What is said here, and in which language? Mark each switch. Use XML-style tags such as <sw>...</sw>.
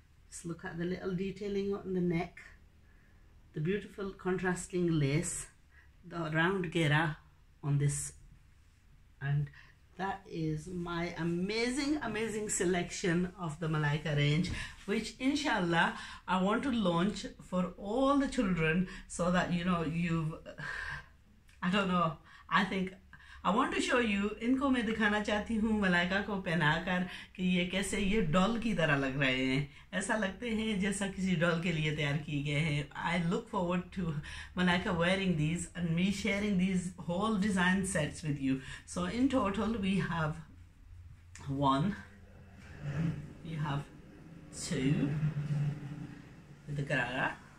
<en>Just look at the little detailing on the neck, the beautiful contrasting lace, the round gera on this, and that is my amazing, amazing selection of the Malaika range, which inshallah I want to launch for all the children so that you know you've. I don't know. I think I want to show you.</en> <hi>इनको मैं दिखाना चाहती हूँ मलाइका को पहनाकर कि ये कैसे ये डॉल की तरह लग रहे हैं. ऐसा लगते हैं जैसा किसी डॉल के लिए तैयार किए गए हैं.</hi> <en>I look forward to Malaika wearing these and me sharing these whole design sets with you. So in total we have one. We have two with the garara.</en>